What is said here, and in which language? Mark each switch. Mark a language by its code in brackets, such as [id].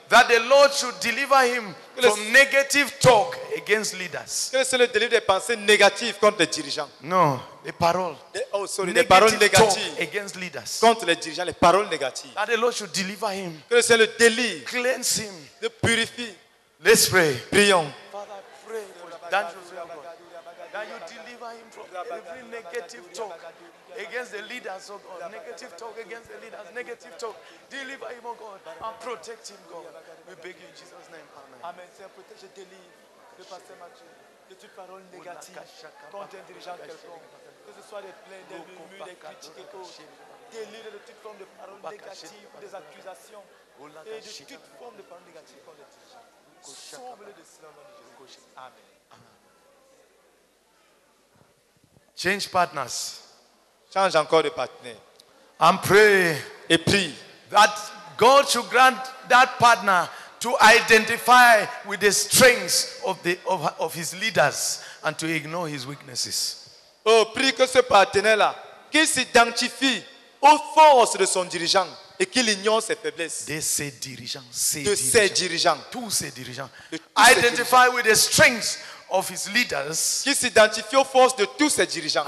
[en] That the Lord should deliver him from negative talk against leaders. [fr] Que le Seigneur délivre des pensées négatives contre les dirigeants. Non, des paroles. Des paroles négatives. [en] Against leaders. [fr] Contre les dirigeants, les paroles négatives. [en] That the Lord should deliver him. [fr] Que le Seigneur délivre. [en] Cleanse him. [fr] Le purifie. [en] Let's pray. [fr] Prions. [en] Father, pray for dangerous people. That you deliver him from every negative talk against the leaders, oh God. Negative talk against the leaders. Negative talk. Deliver him, oh God, and protect him, God. We beg you in Jesus' name. Amen. Amen. [fr] Seigneur, protège et délivre le pasteur Mathieu de toute parole négative contre un dirigeant quelconque. Que ce soit des plaintes, des murmures, des critiques et autres. Délivre de toute forme de paroles négatives, des accusations et de toute forme de paroles négatives contre un dirigeant. Sauve-le de cela, mon Dieu. Amen. Amen. [en] Change partners. [fr] Change encore de partenaire. [en] And pray. [fr] Et prie. [en] That God should grant that partner to identify with the strengths of his leaders and to ignore his weaknesses. [fr] Oh, prie que ce partenaire-là, qu'il s'identifie aux forces de son dirigeant et qu'il ignore ses faiblesses. De ses dirigeants. Tous ses dirigeants. [en] Identify with the strengths of his leaders, [fr] qui s'identifie aux forces de tous ses dirigeants,